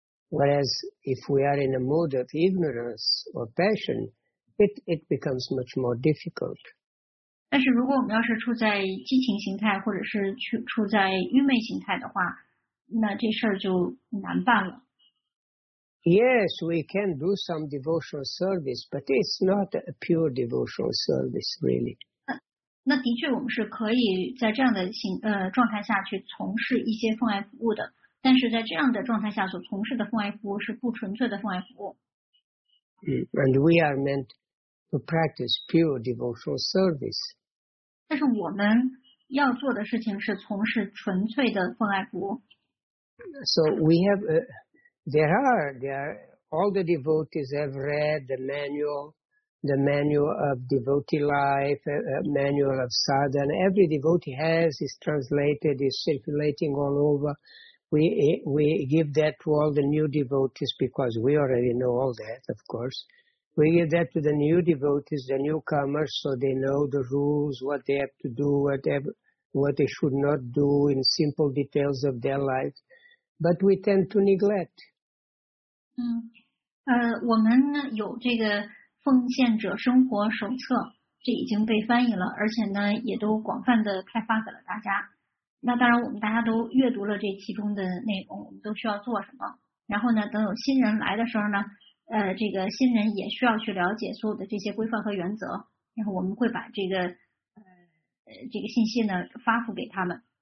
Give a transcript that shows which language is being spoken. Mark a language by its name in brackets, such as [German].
[English] Whereas if we are in a mode of ignorance or passion,It becomes much more difficult. [Chinese] 但是如果我们要是处在激情形态或者是处在愚昧形态的话，那这事儿就难办了。 [English] Yes, we can do some devotional service, but it's not a pure devotional service, really. [Chinese] 那的确我们是可以在这样的状态下去从事一些奉爱服务的，但是在这样的状态下所从事的奉爱服务是不纯粹的奉爱服务。 [English] And we are meant to practice pure devotional service. [Chinese] 但是我们要做的事情是从事纯粹的奉爱服务。 [English] So we have, there are all the devotees have read the manual of devotee life, manual of sadhana. Every devotee has is translated, is circulating all over. We give that to all the new devotees because we already know all that, of course. We give that to the new devotees, the newcomers, so they know the rules, what they have to do, what they should not do in simple details of their life. But we tend to neglect. [Chinese] 我们有这个奉献者生活手册，这已经被翻译了，而且呢，也都广泛的开发给了大家。那当然我们大家都阅读了这其中的内容，我们都需要做什么，然后呢等有新人来的时候呢，这个新人也需要去了解所有的这些规范和原则，然后我们会把这个信息呢发布给他们。